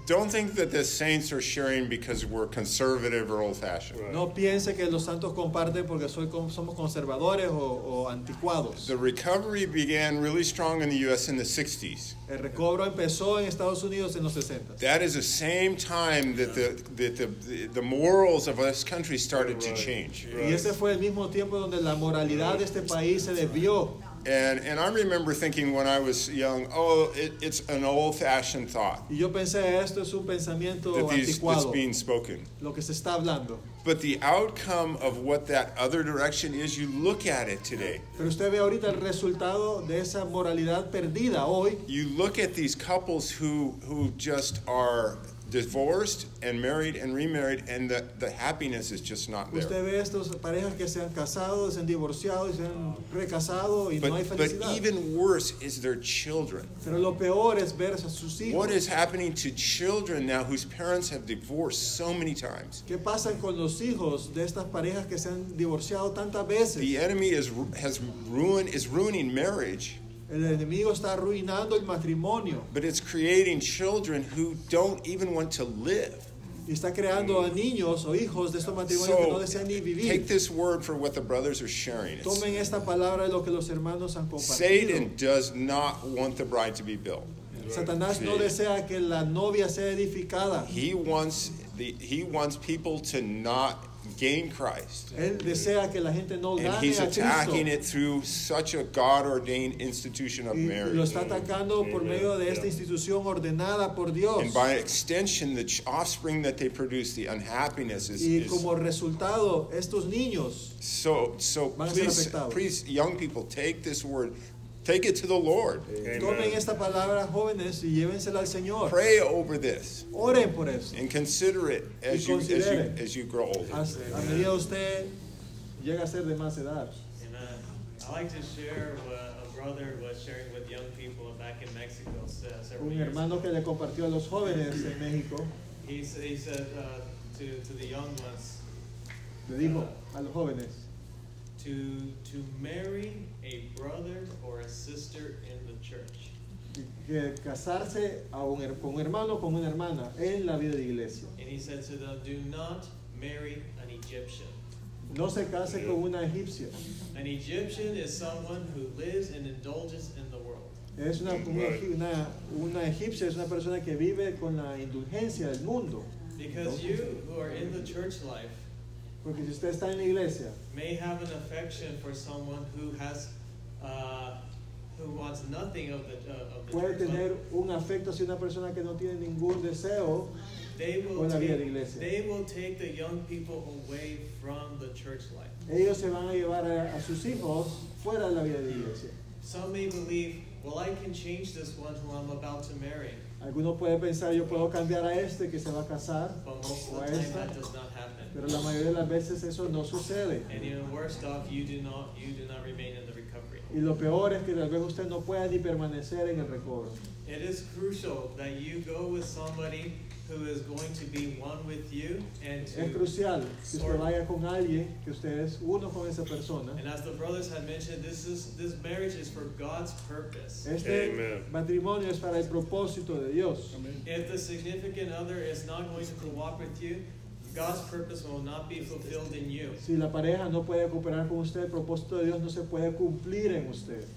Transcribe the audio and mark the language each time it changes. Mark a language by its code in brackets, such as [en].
[en] Don't think that the saints are sharing because we're conservative or old-fashioned. [es] No piense que los santos comparten porque somos conservadores o anticuados. [en] The recovery began really strong in the U.S. in the 60s. [es] El recobro empezó en Estados Unidos en los 60s. [en] That is the same time that the morals of this country started to change. [es] Y ese fue el mismo tiempo donde la moralidad de este país se desvió. [en] And I remember thinking when I was young, it's an old-fashioned thought. [es] Y yo pensé, esto es un pensamiento anticuado. [en] It's being spoken. [es] Lo que se está hablando. [en] But the outcome of what that other direction is, you look at it today. [es] Pero usted ve ahorita el resultado de esa moralidad perdida hoy. [en] You look at these couples who just are divorced and married and remarried, and the happiness is just not there. [es] Usted ve estos parejas que se han casado, se han divorciado, se han recasado, y [en] but, [es] no hay felicidad. [en] But even worse is their children. [es] Pero lo peor es ver a sus hijos. [en] What is happening to children now whose parents have divorced so many times? [es] ¿Qué pasa con los hijos de estas parejas que se han divorciado tantas veces? [en] The enemy is ruining marriage. [es] El enemigo está arruinando el matrimonio. [en] But it's creating children who don't even want to live. [es] Y está creando a niños o hijos de estos matrimonios que no desean ni vivir. [en] Take this word for what the brothers are sharing. [es] Tomen esta palabra de lo que los hermanos han compartido. [en] Satan does not want the bride to be built. [es] Satanás no desea que la novia sea edificada. [en] He wants people to not gain Christ. [es] Él desea que la gente no gane. [en] And he's attacking [es] Cristo. [en] It through such a God-ordained institution of [es] y [en] marriage. [es] Lo está atacando Amen. Por medio de esta institución ordenada por Dios. [en] And by extension, the offspring that they produce, the unhappiness is. [es] Y como resultado, estos niños. [en] So please, young people, take this word. Take it to the Lord. Amen. [es] Tomen esta palabra, jóvenes, y llévensela al Señor. [en] Pray over this. [es] Oren por eso. [en] And consider it as you grow older. [es] A medida usted llega a ser de más edad. [en] I like to share what a brother was sharing with young people back in Mexico. [es] Un hermano que le compartió a los jóvenes en México. [en] He said to the young ones. [es] Le dijo a los jóvenes. [en] to marry a brother or a sister in the church. [es] De casarse con un hermano o con una hermana en la vida de iglesia. [en] And he said to them, do not marry an Egyptian. [es] No se case con una egipcia. [en] An Egyptian is someone who lives and indulges in the world. [es] Es una egipcia es una persona que vive con la indulgencia del mundo. [en] Because you who are in the church life, [es] porque si usted está en la iglesia, [en] may have an affection for someone who has who wants nothing of the church. [es] Puede tener un afecto hacia una persona que no tiene ningún deseo con la vida de la iglesia. [en] They will take the young people away from the church life. [es] Ellos se van a llevar a sus hijos fuera de la vida de la iglesia. [en] Some may believe, well, I can change this one who I'm about to marry. [es] Alguno puede pensar, yo puedo cambiar a este que se va a casar. [en] But most of the time, that does not happen. [es] Pero la mayoría de las veces eso no sucede. [en] And even worse off, you do not remain in the recovery. [es] Y lo peor es que tal vez usted no pueda ni permanecer en el recovery. [en] It is crucial that you go with somebody who is going to be one with you and to. [es] Es crucial que usted vaya con alguien que usted es uno con esa persona. [en] And as the brothers had mentioned, this marriage is for God's purpose. [es] Este matrimonio es para el propósito de Dios. [en] If the significant other is not going to cooperate with you, God's purpose will not be fulfilled in you. [es] Si la pareja no puede cooperar con usted, el propósito de Dios no se puede cumplir en usted.